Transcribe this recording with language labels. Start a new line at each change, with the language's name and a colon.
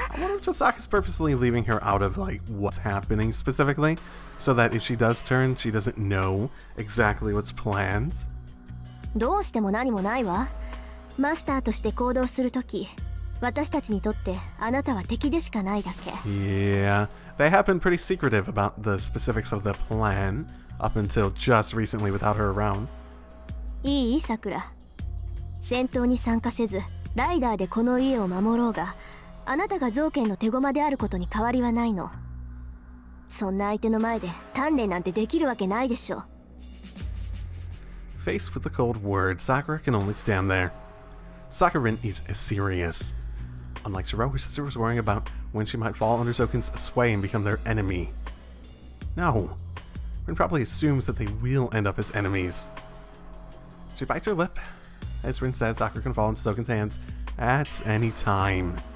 English: I wonder if Tosaka's purposely leaving her out of, like, what's happening specifically, so that if she does turn, she doesn't know exactly what's planned.
Japanese: どうしても何もないわ。マスターとして行動するとき、私たちにとってあなたは敵でしかないだけ。
English: Yeah, they have been pretty secretive about the specifics of the plan up until just recently without her around.
Japanese: いい、さくら。戦闘に参加せず、ライダーでこの家を守ろうが、あなたが造剣の手駒であることに変わりはないの。そんな相手の前で鍛錬なんてできるわけないでしょう。
English: Faced with the cold word, Sakura can only stand there. Sakurin is serious. Unlike Shiro, her sister was worrying about when she might fall under Zoken's sway and become their enemy. No. Rin probably assumes that they will end up as enemies. She bites her lip as Rin says Sakura can fall into Zoken's hands at any time.